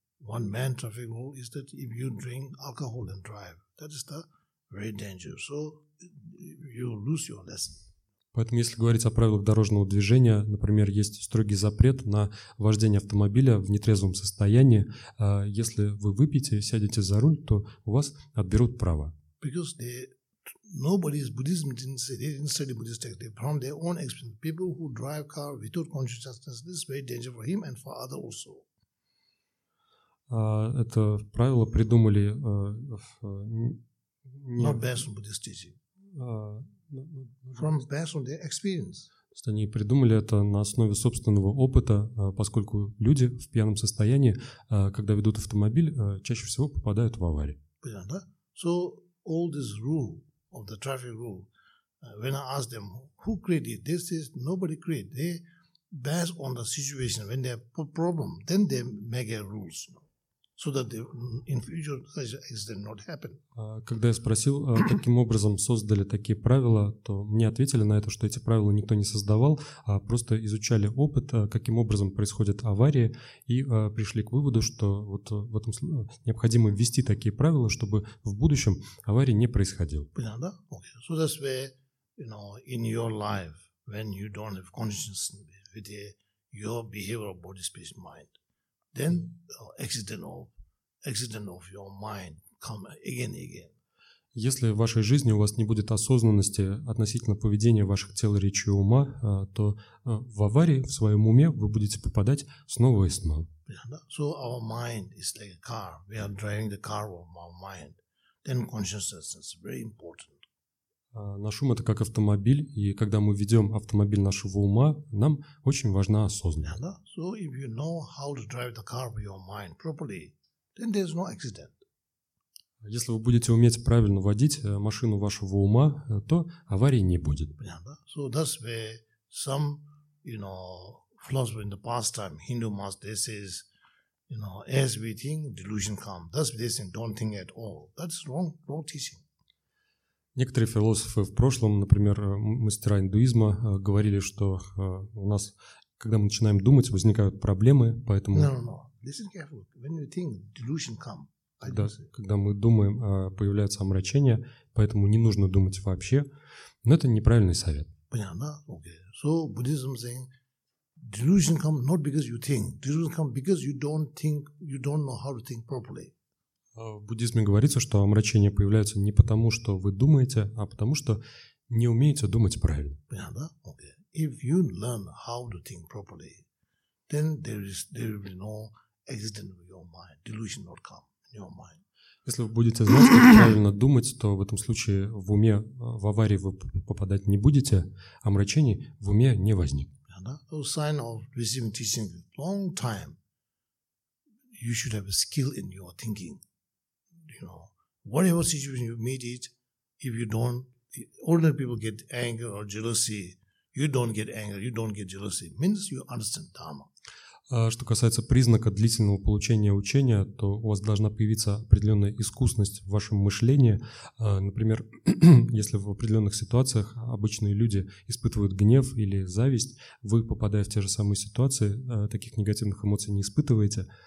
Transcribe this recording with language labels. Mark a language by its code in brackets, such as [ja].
[en] One man traffic rule is that if you drink alcohol and drive, that is the very danger. So you lose your lesson. [ru] Поэтому, если говорить о правилах дорожного движения, например, есть строгий запрет на вождение автомобиля в нетрезвом состоянии. Если вы выпьете и сядете за руль, то у вас отберут право. [en] Because nobody's Buddhism didn't study Buddhist text. They from their own experience. People who drive car without consciousness, this is very dangerous for him and for others also. [ru] Это правило придумали [en] not based on Buddhist teaching. From based on their experience. [ru] То есть они придумали это на основе собственного опыта, поскольку люди в пьяном состоянии, когда ведут автомобиль, чаще всего попадают в аварии. [en] So all this rule of the traffic rule, when I ask them who created it, they say nobody created. They based on the situation when they have a problem, then they make a rules. So that the, in future such accident not happen. [ru] Когда я спросил, каким образом создали такие правила, то мне ответили на это, что эти правила никто не создавал, а просто изучали опыт, каким образом происходят аварии, и пришли к выводу, что вот в этом необходимо ввести такие правила, чтобы в будущем аварии не происходило. Понятно, да? [en] Okay. So that's where, you know, in your life, when you don't have consciousness with your behavior of body, space, mind. Then accident of your mind come again. [ru] Если в вашей жизни у вас не будет осознанности относительно поведения ваших тел, речи и ума, то в аварии, в своем уме, вы будете попадать снова и снова. [en] So our mind is like a car. We are driving the car of our mind. Then consciousness is very important. [ru] Наш ум — это как автомобиль, и когда мы ведем автомобиль нашего ума, нам очень важна осознанность. [en] So if you know how to drive the car with your mind properly, then there's no accident. [ru] Если вы будете уметь правильно водить машину вашего ума, то аварии не будет. [en] So that's where some, you know, philosophers in the past time, Hindu masters, they says, you know, as we think, delusion comes. That's what they say, don't think at all. That's wrong teaching. [ru] Некоторые философы в прошлом, например, мастера индуизма, говорили, что у нас, когда мы начинаем думать, возникают проблемы, поэтому... [en] No. Listen carefully. When you think, delusion come. [ru] Когда мы думаем, появляется омрачение, поэтому не нужно думать вообще. Но это неправильный совет. Понятно? [en] Okay. So, Buddhism saying, delusion come not because you think. Delusion come because you don't think, you don't know how to think properly. [ru] В буддизме говорится, что омрачение появляется не потому, что вы думаете, а потому, что не умеете думать правильно. Понятно, да? [en] Okay. If you learn how to think properly, then there will be no accident in your mind. Delusion not come in your mind. [ru] Если вы будете знать, как правильно думать, то в этом случае в уме, в аварии вы попадать не будете, омрачений в уме не возникнет. Понятно, да? [en] So sign of receiving teaching long time, you should have a skill in your thinking. Whatever situation you meet it, if you don't, ordinary people get anger or jealousy. You don't get anger, you don't get jealousy. Means you understand Dharma. [ru] Что касается признака длительного получения учения, то у вас должна появиться определенная искусность в вашем мышлении. Например, если в определенных ситуациях обычные люди испытывают гнев или зависть, вы, попадая в те же самые ситуации, таких негативных эмоций не испытываете.